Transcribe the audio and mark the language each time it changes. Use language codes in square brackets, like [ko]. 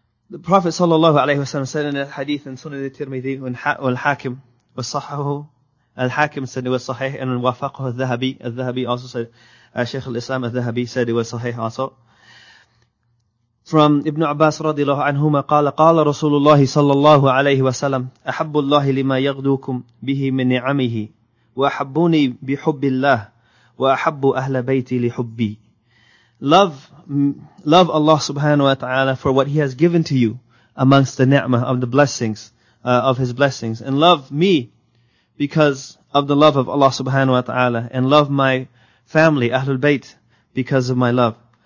[en] The Prophet sallallahu alaihi wasallam said in a hadith in Sunan al-Tirmidhi wal-Hakim, [ar] وصححه الحاكم [en] said it was صحيح and [ar] وافقه الذهبي. [en] الذهبي also said, Shaykh al-Islam al-Dhahabi said it was صحيح also. From Ibn Abbas [ar] رضي الله عنهما قال قال رسول الله صلى الله عليه وسلم أحب الله لما يغدوكم به من نعمه وأحبوني بحب الله وأحب أهل بيتي لحبي. [en] Love Allah subhanahu wa ta'ala for what He has given to you amongst the ni'mah of the blessings, of His blessings, and love me because of the love of Allah subhanahu wa ta'ala, and love my family, Ahlul Bayt, because of my love.